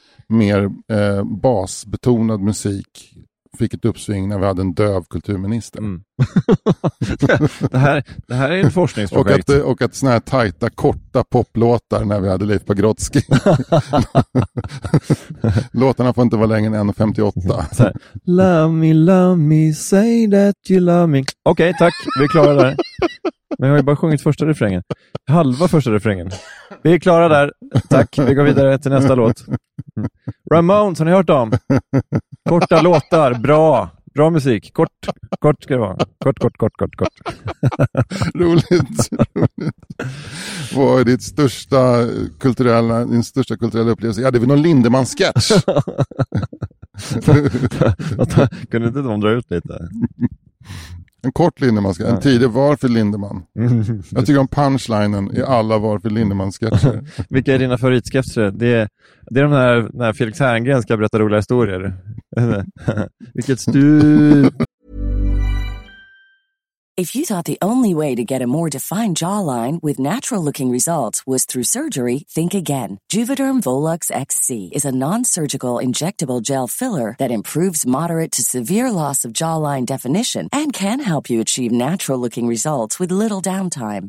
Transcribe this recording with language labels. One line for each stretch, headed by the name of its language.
Swedish: mer basbetonad musik fick ett uppsving när vi hade en döv kulturminister. Mm. det här är en forskningsprojekt. Och att såna här tajta, korta poplåtar när vi hade Leif Pagrotsky. Låtarna får inte vara längre än 1,58.
English: love me, say that you love me.
Swedish: Okej, tack. Vi är klara där. Men jag har ju bara sjungit första refrängen. Halva första refrängen. Vi är klara där. Tack, vi går vidare till nästa låt. Ramones, har ni hört om? Korta låtar, bra. Bra musik. Kort ska det vara. Kort. Roligt. Vad är ditt största kulturella, din största kulturella upplevelse? Ja, det är väl någon Lindemann-sketch. Kunde inte de dra ut lite? En kort Lindemann, en tidig Varför Lindemann. Jag tycker om punchlinen i alla Varför Lindemann-sketcher. Vilka är dina favoritsketcher? Det är de här när Felix Herngren ska berätta roliga historier. Vilket stup.
English: If you thought the only way to get a more defined jawline with natural-looking results was through surgery, think again. Juvederm Volux XC is a non-surgical injectable gel filler that improves moderate to severe loss of jawline definition and can help you achieve natural-looking results with little downtime.